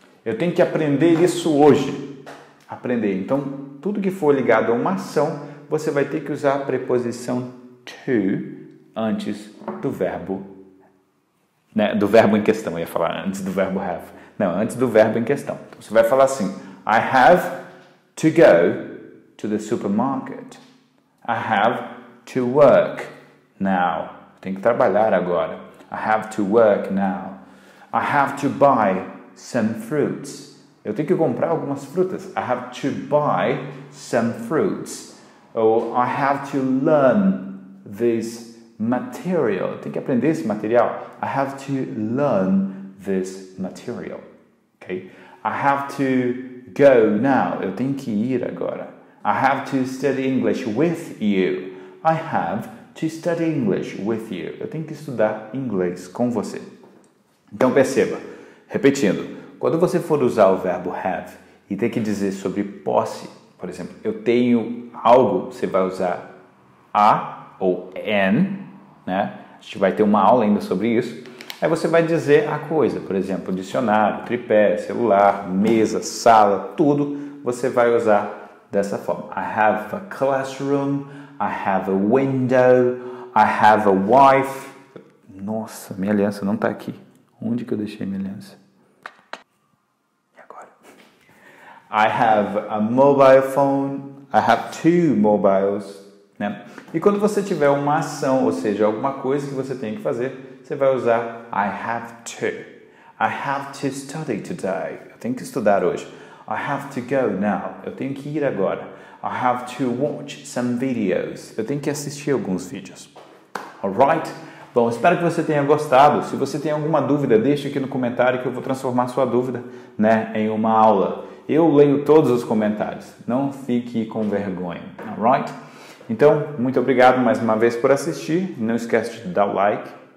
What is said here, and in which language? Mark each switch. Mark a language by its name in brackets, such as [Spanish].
[Portuguese] Eu tenho que aprender isso hoje. Aprender. Então, tudo que for ligado a uma ação, você vai ter que usar a preposição to antes do verbo, né, do verbo em questão. Eu ia falar antes do verbo have. Não, antes do verbo em questão. Então, você vai falar assim, [English] I have to go to the supermarket. I have to work now. [Portuguese] Eu tenho que trabalhar agora. [English] I have to work now. I have to buy some fruits. [Portuguese] Eu tenho que comprar algumas frutas. [English] I have to buy some fruits. Ou I have to learn this material. [Portuguese] Eu tenho que aprender esse material. [English] I have to learn this material. Okay? I have to go now. [Portuguese] Eu tenho que ir agora. [English] I have to study English with you. I have to study English with you. [Portuguese] Eu tenho que estudar inglês com você. Então, perceba. Repetindo. Quando você for usar o verbo have e tem que dizer sobre posse, por exemplo, eu tenho algo, você vai usar a ou an, né? A gente vai ter uma aula ainda sobre isso. Aí você vai dizer a coisa. Por exemplo, dicionário, tripé, celular, mesa, sala, tudo. Você vai usar dessa forma. [English] I have a classroom. I have a window, I have a wife. [Portuguese] Nossa, minha aliança não está aqui. Onde que eu deixei minha aliança? E agora? [English] I have a mobile phone, I have two mobiles. [Portuguese] Né? E quando você tiver uma ação, ou seja, alguma coisa que você tem que fazer, você vai usar I have to. [English] I have to study today. [Portuguese] Eu tenho que estudar hoje. [English] I have to go now. [Portuguese] Eu tenho que ir agora. [English] I have to watch some videos. [Portuguese] Eu tenho que assistir alguns vídeos. Alright? Bom, espero que você tenha gostado. Se você tem alguma dúvida, deixe aqui no comentário que eu vou transformar sua dúvida, né, em uma aula. Eu leio todos os comentários. Não fique com vergonha. Alright? Então, muito obrigado mais uma vez por assistir. Não esquece de dar o like.